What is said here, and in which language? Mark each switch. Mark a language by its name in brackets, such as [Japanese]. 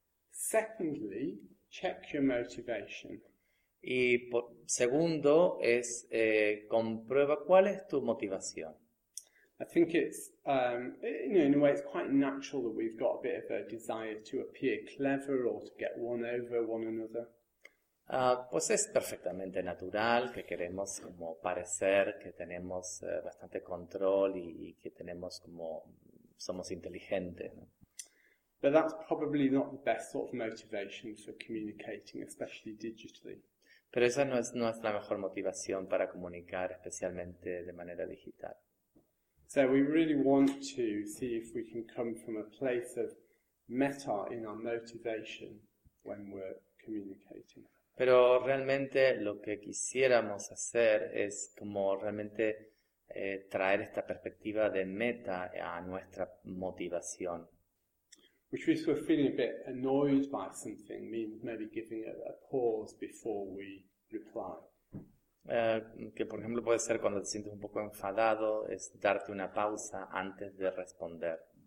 [English] Secondly, check your motivation. [Spanish] Y segundo es comprueba cuál es tu motivación. [English] I think it's in a way it's quite natural that we've got a bit of a desire to appear clever or to get one over one another. [Spanish] Pues es perfectamente natural que queremos como parecer que tenemos bastante control y que tenemos como somos inteligentes, ¿no? [English] But that's probably not the best sort of motivation for communicating, especially digitally. [Spanish] Pero esa no es la mejor motivación para comunicar, especialmente de manera digital. [English] So we really want to see if we can come from a place of meta in our motivation when we're communicating. [Spanish] Pero realmente lo que quisiéramos hacer es como realmente traer esta perspectiva de meta a nuestra motivación. [English] Which we were feeling a bit annoyed by something means maybe giving a pause before we reply. [Spanish] Que por ejemplo puede ser cuando te sientes un poco enfadado, es darte una pausa antes de responder.